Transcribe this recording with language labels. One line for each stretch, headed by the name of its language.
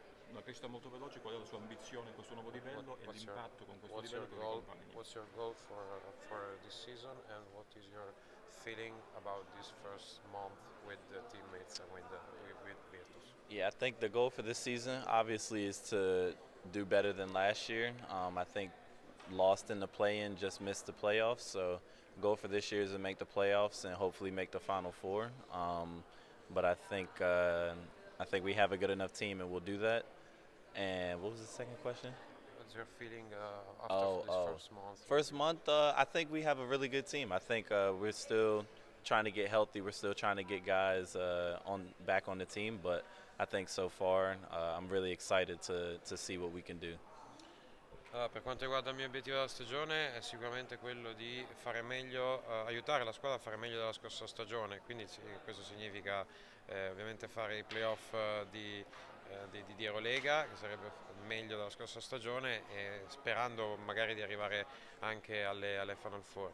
Italian: Una crescita molto veloce, qual è la sua ambizione in questo nuovo livello e l'impatto con questo livello con i compagni?
English: What's your goal for this season and what is your feeling about this first month with the teammates and with Virtus? Yeah, I think the goal for this season obviously is to do better than last year. I think lost in the play-in, just missed the playoffs, so goal for this year is to make the playoffs and hopefully make the Final Four. But I think we have a good enough team and we'll do that. And what was the second question? What's your feeling after this first month? First month, I think we have a really good team. I think we're still trying to get healthy. We're still trying to get guys back on the team. But I think so far, I'm really excited to see what we can do.
Italian: Per quanto riguarda il mio obiettivo della stagione è sicuramente quello di fare meglio, aiutare la squadra a fare meglio della scorsa stagione, quindi questo significa ovviamente fare i playoff di Eurolega, che sarebbe meglio della scorsa stagione, e sperando magari di arrivare anche alle Final Four.